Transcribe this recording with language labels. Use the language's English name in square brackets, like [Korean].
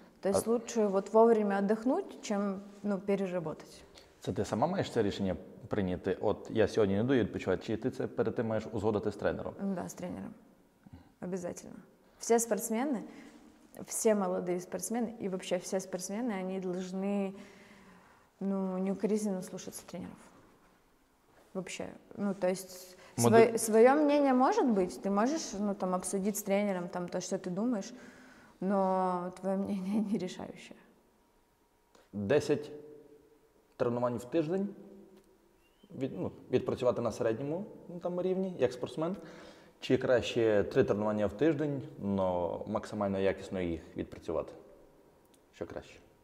[Russian] То есть лучше вот вовремя отдохнуть, чем, ну, переработать. [Ukrainian] Це ти сама маєш це рішення прийняти? От я сьогодні не даю відпочивати, чи ти це перед тим маєш узгодити з тренером? Да, з тренером. Обязательно. Все спортсмени. [Russian] Все молодые спортсмены и вообще все спортсмены, они должны, ну, неукоризненно слушаться тренеров. Вообще. Ну, то есть, свое мнение может быть, ты можешь, ну, там, обсудить с тренером там то, что ты думаешь, но твое мнение не решающее. [Ukrainian] 10 тренувань в тиждень, ну, відпрацювати на середньому там, рівні як спортсмен, чи краще 3 тренування в тиждень, но максимально якісно їх відпрацювати? Що краще?